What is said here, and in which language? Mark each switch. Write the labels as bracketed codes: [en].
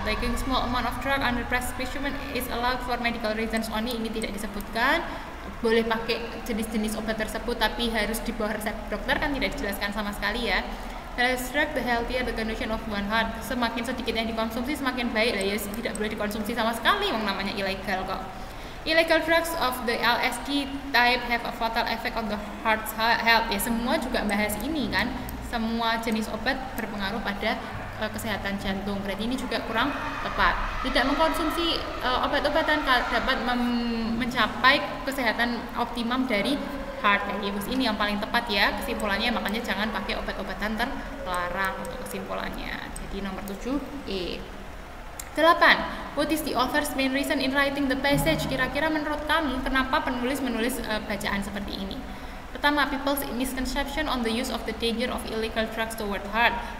[en] Taking small amount of drug under prescription is allowed for medical reasons only. [id] Ini tidak disebutkan. Boleh pakai jenis-jenis obat tersebut tapi harus di bawah resep dokter, kan tidak dijelaskan sama sekali ya. [en] Less drug, the healthier the condition of one heart. [id] Semakin sedikit yang dikonsumsi semakin baik lah ya. Tidak boleh dikonsumsi sama sekali, wong namanya illegal kok. [en] Illegal drugs of the LSD type have a fatal effect on the heart's health. [id] Ya semua juga bahas ini kan. Semua jenis obat berpengaruh pada kesehatan jantung. Berarti ini juga kurang tepat. Tidak mengkonsumsi obat-obatan dapat mencapai kesehatan optimum dari [en] heart. [id] Ya, ibu, ini yang paling tepat ya kesimpulannya. Makanya jangan pakai obat-obatan terlarang untuk kesimpulannya. Jadi nomor 7E. 8. [en] What is the author's main reason in writing the passage? [id] Kira-kira menurut kamu kenapa penulis menulis bacaan seperti ini? Pertama, [en] people's misconception on the use of the danger of illegal drugs toward heart.